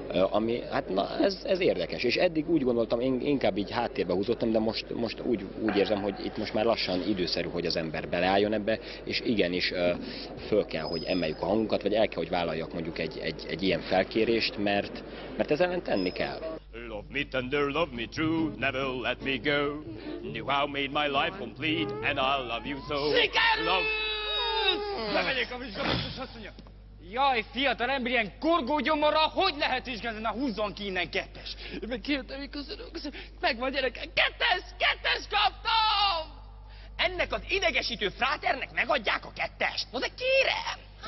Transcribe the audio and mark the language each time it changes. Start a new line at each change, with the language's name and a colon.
Hungarian: Ami, hát na, ez érdekes, és eddig úgy gondoltam, inkább így háttérbe húzottam, de most úgy érzem, hogy itt most már lassan időszerű, hogy az ember beleálljon ebbe, és igenis föl kell, hogy emeljük a hangunkat, vagy el kell, hogy vállaljak mondjuk egy ilyen felkérést, mert ez ellen tenni kell.
English: Love me tender, love me true, never let me go. Knew how made my life complete, and I love you so.
Hungarian: Siker!
English: Love!
Hungarian: Bemegyek a vizsgálatos asszonya! Jaj, fiatal ember, ilyen korgó gyomorra, hogy lehet vizsgálni? Na húzzon ki innen, kettes! Meg kijöttem, hogy köszönöm. Megvan, gyerekek! Kettes kaptam! Ennek az idegesítő fráternek megadják a kettest? Na de kérem!